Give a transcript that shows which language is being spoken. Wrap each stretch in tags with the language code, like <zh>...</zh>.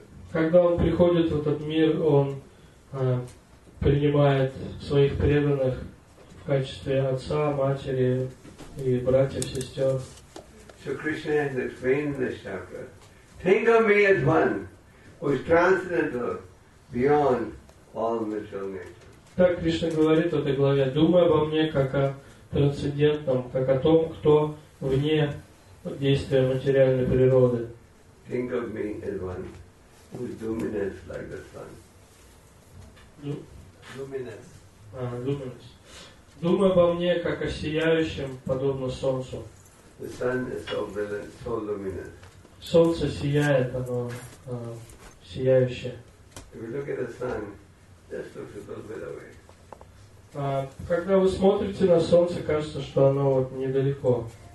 <ru>Когда он приходит в этот мир, он принимает своих преданных в качестве отца, матери и братьев, сестер.</ru> <en>So Krishna has explained this chakra. Think of me as one who is transcendental beyond all material nature.</en> <ru>Так Кришна говорит в этой главе. Думай обо мне как о трансцендентном, как о том, кто вне действия материальной природы.</ru> <en>Think of me as one who's luminous like the sun. Luminous.</en> <ru>Думай обо мне как о сияющем, подобно солнцу.</ru> <en>The sun is so brilliant, so luminous.</en> <ru>Солнце сияет, оно сияющее.</ru> <en>If you look at the sun, just looks a little bit away.</en> <ru>Когда вы смотрите на солнце, кажется, что оно вот недалеко.</ru>